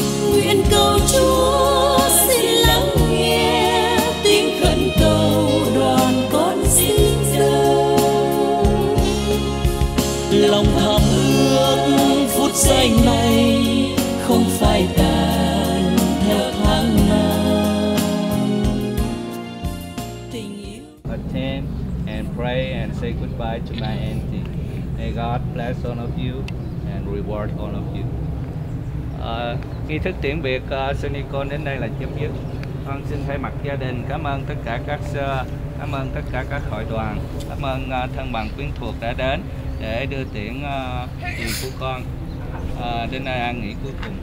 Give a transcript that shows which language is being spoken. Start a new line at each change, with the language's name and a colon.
Vietnamese: Nguyện cầu Chúa xin lắng nghe tiếng khẩn cầu đoàn con xin dâng. Lòng tham ước phút giây này không phải tàn theo tháng năm. Tình yêu.
English: Attend and pray and say goodbye to my auntie. May God bless all of you and reward all of you.
Vietnamese: Nghi thức tiễn biệt Sonicon đến đây là chấm dứt. Con xin thay mặt gia đình cảm ơn tất cả các sơ, cảm ơn tất cả các hội đoàn, cảm ơn thân bằng quyến thuộc đã đến để đưa tiễn người của con đến nơi an nghỉ cuối cùng.